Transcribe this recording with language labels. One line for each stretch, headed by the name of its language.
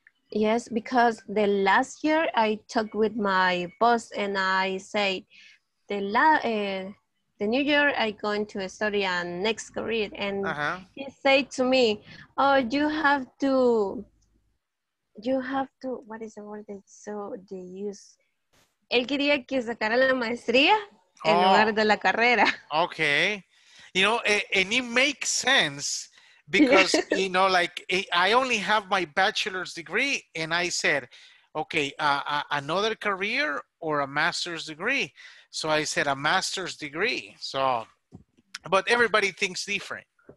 English: Yes, because the last year I talked with my boss and I said, the new year I'm going to study a next career. And uh-huh. He said to me, oh, you have to, what is the word that so they use?
Spanish: Él quería que sacara la maestría en lugar de la carrera.
English: Okay. You know, and it makes sense because, you know, like I only have my bachelor's degree and I said, okay, another career or a master's degree? So I said a master's degree. So, but everybody thinks different.